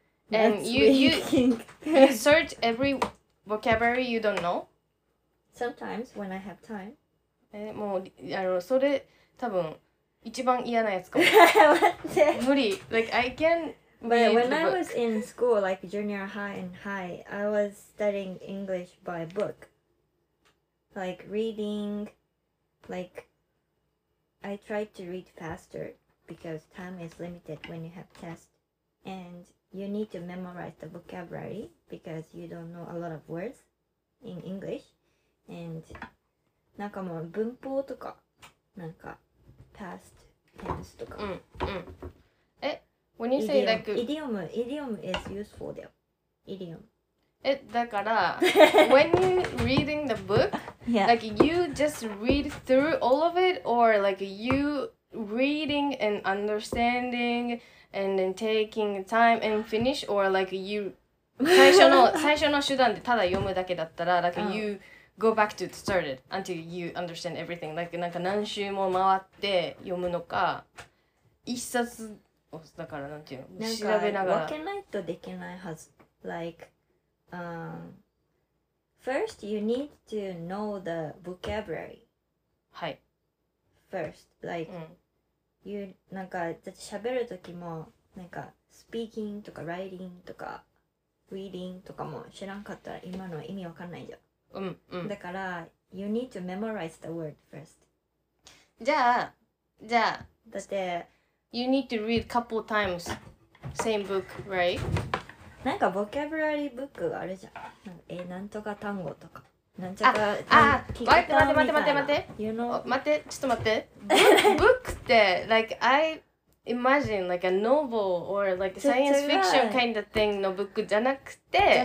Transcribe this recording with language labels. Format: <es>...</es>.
<en>And you search every vocabulary you don't know? Sometimes when I have time.</en> <ja>もうあのそれ多分一番嫌なやつかも。待って。無理。</ja> <en>Like I can. But when I was in school, like junior high and high, I was studying English by book. Like reading, like I tried to read faster because time is limited when you have test. And you need to memorize the vocabulary because you don't know a lot of words in English.</en> <ja>And なんかもう文法とかなんか past tense とか。</ja> <en>When you say like idiom is useful though. Idiom. It</en> <ja>だから</ja> <en>when you reading the book, yeah. like you just read through all of it or like you reading and understanding and then taking time and finish or like you</en> <ja>最初の手段でただ読むだけだったら</ja> <en>like you go back to start it until you understand everything. Like</en> <ja>なんか何週も回って読むのか一冊だからなんていうの調べながら分けないとできないはず。</ja> <en>Like, first you need to know the vocabulary.</en> <ja>はい。</ja> <en>First, like,you</en> <ja>なんか喋る時もなんか speaking とか writing とか reading とかも知らんかったら今の意味わかんないじゃん。だから</ja> <en>you need to memorize the word first.</en> <ja>じゃあだって。</ja> <en>You need to read couple times same book, right?</en> <ja>なんかボキャブラリーブックあるじゃん。え、なんとか単語とか。なんちゃか単語みたいな。ああ、待って。</ja> <en>You know?</en> <ja>待って、ちょっと待って。</ja> <en>book って、like, I imagine like a novel or like science fiction kind of thing の book</en> <ja>じゃなくて、</ja>